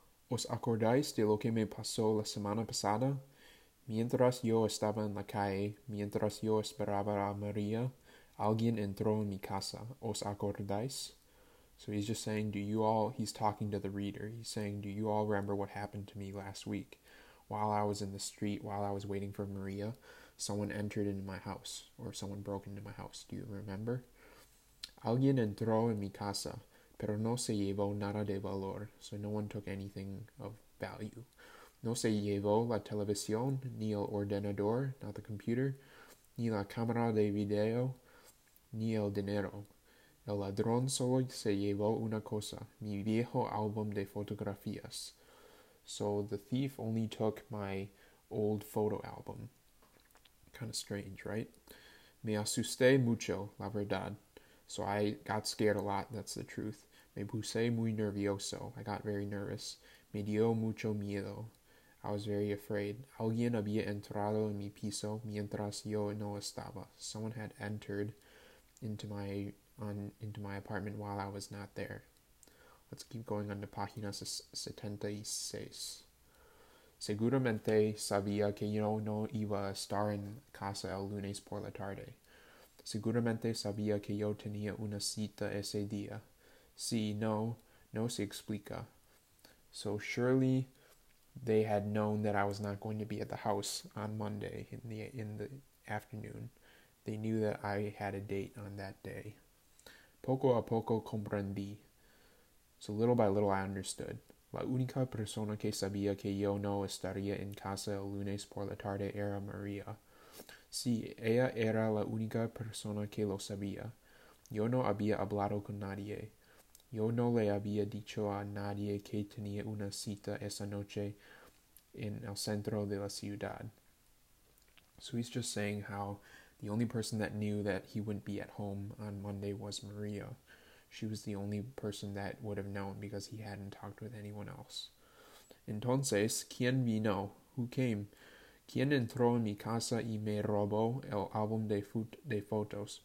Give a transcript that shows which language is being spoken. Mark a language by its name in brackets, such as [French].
[Spanish] ¿Os acordáis de lo que me pasó la semana pasada? Mientras yo estaba en la calle, mientras yo esperaba a María, alguien entró en mi casa. ¿Os acordáis? [English] So he's just saying, do you all, he's talking to the reader. He's saying, do you all remember what happened to me last week? While I was in the street, while I was waiting for María, someone entered into my house, or someone broke into my house. Do you remember? [Spanish] Alguien entró en mi casa. Pero no se llevó nada de valor. [English] So no one took anything of value. [Spanish] No se llevó la televisión, ni el ordenador, [English] not the computer, [Spanish] ni la cámara de video, ni el dinero. El ladrón solo se llevó una cosa, mi viejo álbum de fotografías. [English] So the thief only took my old photo album. Kind of strange, right? [Spanish] Me asusté mucho, la verdad. [English] So I got scared a lot, that's the truth. [Spanish] Me puse muy nervioso. [English] I got very nervous. [Spanish] Me dio mucho miedo. [English] I was very afraid. [Spanish] Alguien había entrado en mi piso mientras yo no estaba. [English] Someone had entered into my apartment while I was not there. Let's keep going on to página 76. [Spanish] Seguramente sabía que yo no iba a estar en casa el lunes por la tarde. Seguramente sabía que yo tenía una cita ese día. Sí, no, no se explica. [English] So surely they had known that I was not going to be at the house on Monday in the afternoon. They knew that I had a date on that day. [Spanish] Poco a poco comprendí. [English] So little by little I understood. [Spanish] La única persona que sabía que yo no estaría en casa el lunes por la tarde era María. Sí, ella era la única persona que lo sabía. Yo no había hablado con nadie. Yo no le había dicho a nadie que tenía una cita esa noche en el centro de la ciudad. [English] So he's just saying how the only person that knew that he wouldn't be at home on Monday was Maria. She was the only person that would have known because he hadn't talked with anyone else. [Spanish] Entonces, ¿quién vino? [English] Who came? [Spanish] ¿Quién entró en mi casa y me robó el álbum de fotos?